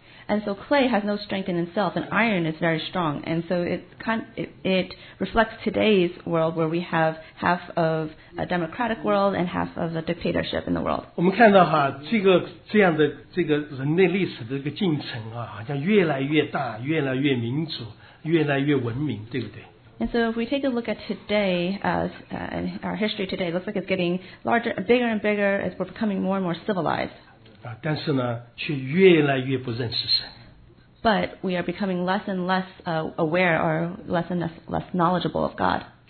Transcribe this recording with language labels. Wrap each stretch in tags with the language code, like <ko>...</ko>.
<en>And so clay has no strength in itself, and iron is very strong. And so it reflects today's world where we have half of a democratic world and half of a dictatorship in the world.</en> <zh>我们看到哈, 这个人类历史的一个进程啊, 好像越来越大, 越来越民主, 越来越文明, 对不对?</zh> <en>And so if we take a look at today, our history today, it looks like it's getting larger, bigger and bigger, as we're becoming more and more civilized.</en> <zh>但是呢却越来越不认识神</zh> <en>But we are becoming less and less aware or less and less knowledgeable of God</en>